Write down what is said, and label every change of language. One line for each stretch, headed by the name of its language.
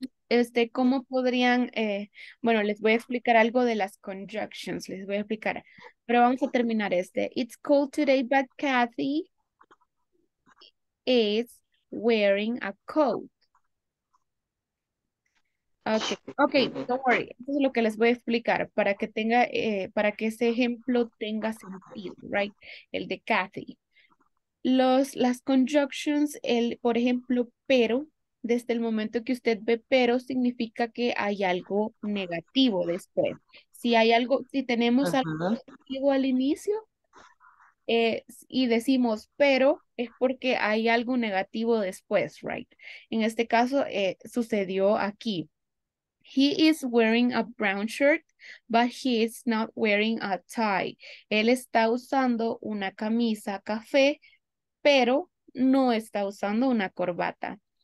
Spanish: ¿Cómo podrían? Bueno, les voy a explicar algo de las conjunctions. Les voy a explicar. Pero vamos a terminar este.
English: It's cold today, but Kathy is wearing a coat. Ok, don't worry.
Spanish: Esto es lo que les voy a explicar para que tenga, para que ese ejemplo tenga sentido, right? El de Kathy. Las conjunctions, por ejemplo, pero, desde el momento que usted ve pero, significa que hay algo negativo después. Si hay algo, si tenemos algo negativo al inicio, y decimos pero, es porque hay algo negativo después, right? En este caso, sucedió aquí.
English: He is wearing a brown shirt, but he is not wearing a tie.
Spanish: Él está usando una camisa café, pero no está usando una corbata.